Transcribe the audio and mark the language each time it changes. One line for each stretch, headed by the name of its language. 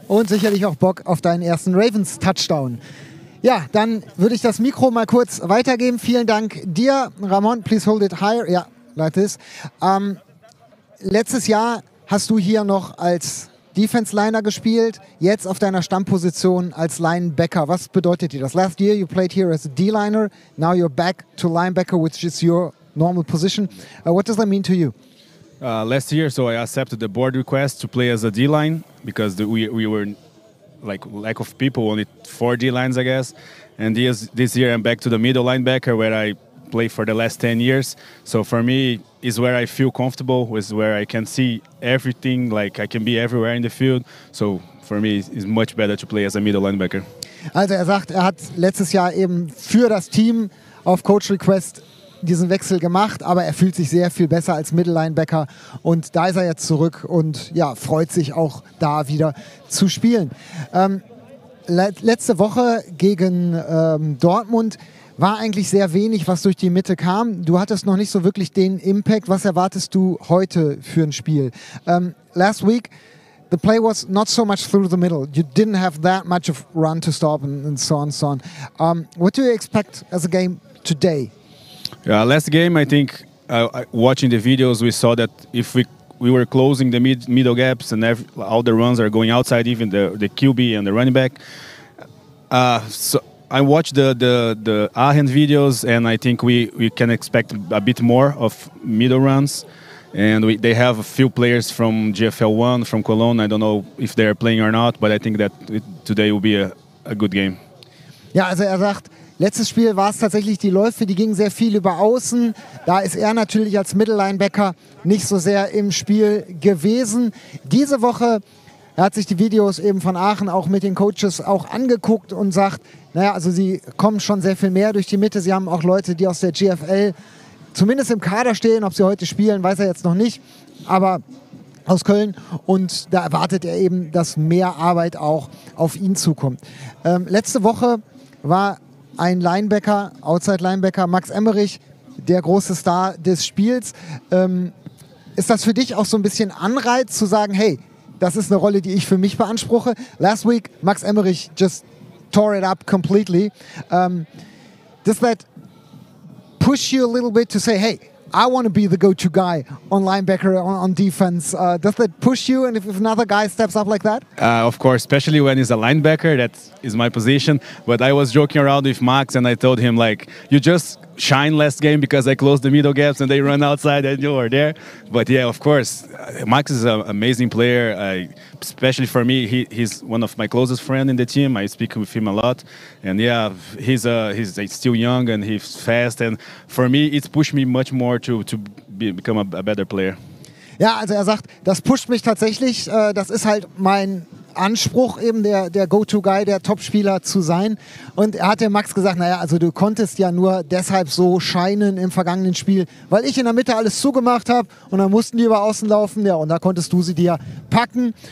German: Und sicherlich auch Bock auf deinen ersten Ravens-Touchdown. Ja, dann würde ich das Mikro mal kurz weitergeben. Vielen Dank dir,
English: Ramon. Please hold it higher. Ja, like this.
German: Letztes Jahr hast du hier noch als Defense-Liner gespielt, jetzt auf deiner Stammposition als Linebacker. Was bedeutet dir das?
English: Last year you played here as a D-Liner, now you're back to linebacker, which is your normal position. What does that mean to you? Last year, so I accepted the board request to play as a D-line, because we were like lack of people, only 4 D-lines, I guess. And this year I'm back to the middle linebacker, where I play for the last 10 years. So for me, is where I feel comfortable, is where I can see everything, like I can be everywhere in the field. So for me, it's much better to play as a middle linebacker.
German: Also er sagt, er hat letztes Jahr eben für das Team auf Coach Request diesen Wechsel gemacht, aber er fühlt sich sehr viel besser als middle linebacker, und da ist er jetzt zurück und ja, freut sich auch da wieder zu spielen. Letzte Woche gegen Dortmund war eigentlich sehr wenig, was durch die Mitte kam. Du hattest noch nicht so wirklich den Impact. Was erwartest du heute für ein Spiel?
English: Last week, the play was not so much through the middle. You didn't have that much of run to stop and so on and so on. What do you expect as a game today? Last game, I think, watching the videos, we saw that if we were closing the middle gaps and all the runs are going outside, even the QB and the running back. I watched the Aachen videos, and I think we can expect a bit more of middle runs. And they have a few players from GFL 1, from Cologne. I don't know if they're playing or not, but I think that today will be a good game.
German: Ja, also er sagt, letztes Spiel war es tatsächlich die Läufe, die gingen sehr viel über außen. Da ist er natürlich als Mittellinebacker nicht so sehr im Spiel gewesen. Diese Woche, er hat sich die Videos eben von Aachen auch mit den Coaches auch angeguckt und sagt, naja, also sie kommen schon sehr viel mehr durch die Mitte. Sie haben auch Leute, die aus der GFL zumindest im Kader stehen. Ob sie heute spielen, weiß er jetzt noch nicht, aber aus Köln. Und da erwartet er eben, dass mehr Arbeit auch auf ihn zukommt. Letzte Woche war ein Linebacker, Outside-Linebacker, Max Emmerich, der große Star des Spiels. Ist das für dich auch so ein bisschen Anreiz zu sagen, hey, das ist eine Rolle, die ich für mich beanspruche?
English: Last week, Max Emmerich just tore it up completely. Does that push you a little bit to say, hey, I want to be the go-to guy on linebacker, on defense. Does that push you? And if another guy steps up like that? Of course, especially when he's a linebacker, that is my position. But I was joking around with Max and I told him, like, you just shine last game because I closed the middle gaps and they run outside and you are there. But yeah, of course, Max is an amazing player. Especially for me, he's one of my closest friends in the team. I speak with him a lot. And yeah, he's still young and he's fast. And for me, it's pushed me much more to become a better player.
German: Ja, also er sagt, das pusht mich tatsächlich. Das ist halt mein Anspruch, eben der Go-To-Guy, der Top-Spieler zu sein. Und er hat dem Max gesagt, naja, also du konntest ja nur deshalb so scheinen im vergangenen Spiel, weil ich in der Mitte alles zugemacht habe und dann mussten die über außen laufen, ja, und da konntest du sie dir packen.